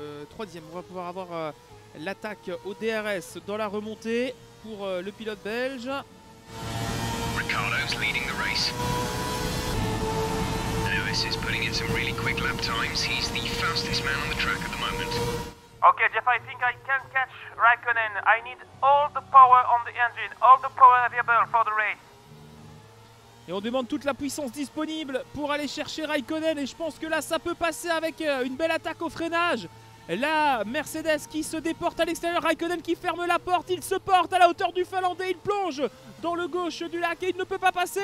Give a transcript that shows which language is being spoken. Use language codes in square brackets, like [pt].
[fr] Troisième, on va pouvoir avoir l'attaque au DRS dans la remontée pour le pilote belge. [en] Ricciardo's leading the race. Lewis is putting in some really quick lap times. He's the fastest man on the track at the moment. Okay, Jeff, I think I can catch Raikkonen. I need all the power on the engine, all the power available for the race. [fr] Et on demande toute la puissance disponible pour aller chercher Raikkonen. Et je pense que là, ça peut passer avec une belle attaque au freinage. La Mercedes qui se déporte à l'extérieur, Raikkonen qui ferme la porte, il se porte à la hauteur du Finlandais, il plonge dans le gauche du lac et il ne peut pas passer.